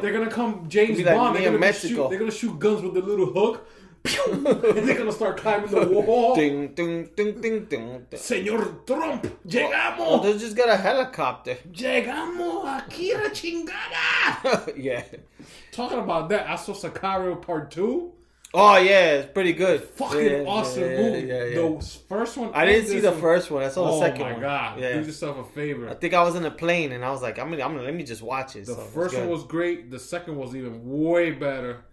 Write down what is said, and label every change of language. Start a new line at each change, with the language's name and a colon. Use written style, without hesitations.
English: They're going to come James Bond. Like they're Mexico. They're going to shoot guns with the little hook. And they're going to start climbing the wall. Ding, ding, ding, ding, ding.
Spanish: Señor Trump, llegamos. Well,
English: they just got a helicopter.
Spanish: Llegamos aquí la chingada.
English: Yeah. Talking about that, I saw Sicario Part 2. Oh, yeah. It's pretty good. Fucking awesome movie. Yeah. The first one. I didn't see the first one. I saw the second one. Oh, my God. Yeah. Do yourself a favor. I think I was in a plane, and I was like, let me just watch it. The first one was great. The second was even way better.